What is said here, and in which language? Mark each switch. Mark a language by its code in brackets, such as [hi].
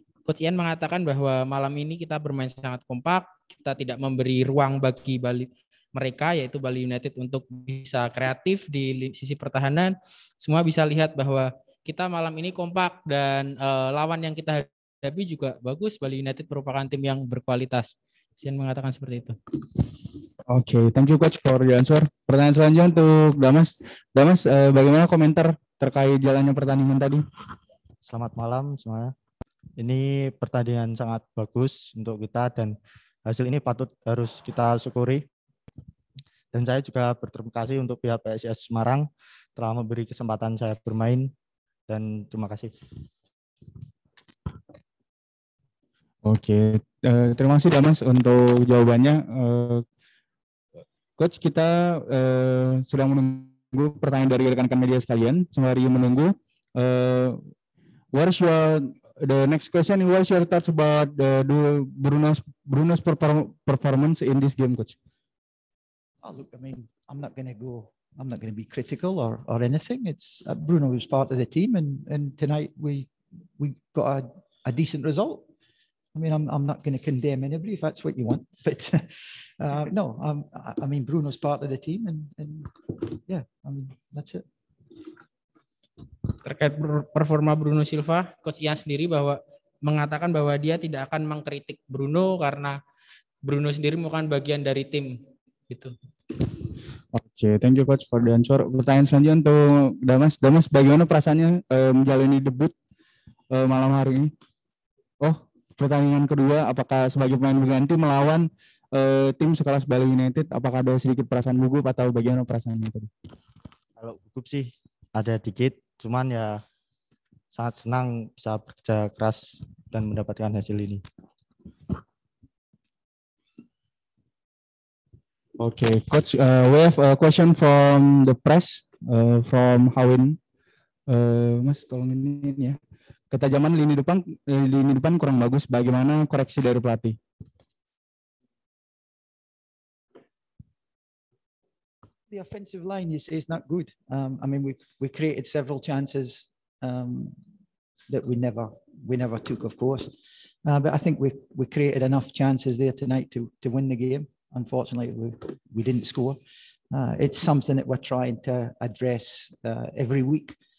[id] Coach Ian mengatakan bahwa malam ini kita bermain sangat kompak, kita tidak memberi ruang bagi Bali mereka yaitu Bali United untuk bisa kreatif di sisi pertahanan. Semua bisa lihat bahwa kita malam ini kompak dan lawan yang kita hadapi juga bagus. Bali United merupakan tim yang berkualitas. Ian mengatakan seperti itu. [en] Oke, okay, thank you coach for your answer. [id] Pertanyaan selanjutnya untuk Damas. Damas, bagaimana komentar terkait jalannya pertandingan tadi? Selamat malam semuanya. Ini pertandingan sangat bagus untuk kita dan hasil ini patut harus kita syukuri. Dan saya juga berterima kasih untuk pihak PSIS Semarang telah memberi kesempatan saya bermain dan terima kasih. Oke, okay. Terima kasih Damas untuk jawabannya. Coach, kita sedang menunggu pertanyaan dari rekan-rekan media sekalian. Sembari menunggu, [en] the next question? What's your thoughts about Bruno's performance in this game, Coach? Oh, look, I mean, I'm not going to be critical or anything. It's Bruno was part of the team, and tonight we got a decent result. I mean, I'm not going to condemn anybody if that's what you want, but no, I mean, Bruno's part of the team, and yeah, I mean, that's it. [id] Terkait performa Bruno Silva, Coach Ian sendiri bahwa mengatakan bahwa dia tidak akan mengkritik Bruno karena Bruno sendiri bukan bagian dari tim, gitu. [en] Oke, okay, thank you Coach for the answer. [id] Pertanyaan selanjutnya untuk Damas. Damas, bagaimana perasaannya menjalani debut malam hari ini? Oh. Pertandingan kedua, apakah sebagai pemain pengganti melawan tim sekelas Bali United, apakah ada sedikit perasaan gugup atau bagaimana perasaannya tadi? Kalau gugup sih ada dikit, cuman ya sangat senang bisa bekerja keras dan mendapatkan hasil ini. [en] Oke, okay, coach, we have a question from the press from Hawin. [id] Mas tolong ini ya. Ketajaman lini depan kurang bagus. Bagaimana koreksi dari pelatih? [en] The offensive line, you say, is not good. I mean, we created several chances that we never took, of course. But I think we created enough chances there tonight to win the game. Unfortunately, we didn't score. It's something that we're trying to address every week.